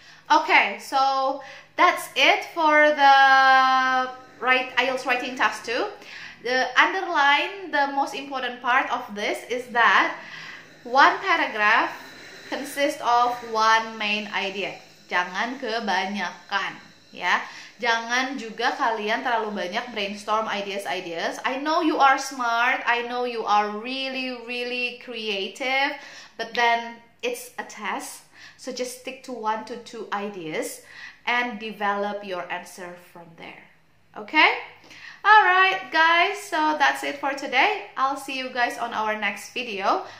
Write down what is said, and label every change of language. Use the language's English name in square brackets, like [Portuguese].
[English] Oke, so that's it for the IELTS writing task 2. The underline the most important part of this is that one paragraph consists of one main idea. [Indonesian] Jangan kebanyakan, ya. Jangan juga kalian terlalu banyak brainstorm ideas. [English] I know you are smart, I know you are really, really creative, but then it's a test. So just stick to one to two ideas and develop your answer from there. Okay? Alright, guys, so that's it for today. I'll see you guys on our next video.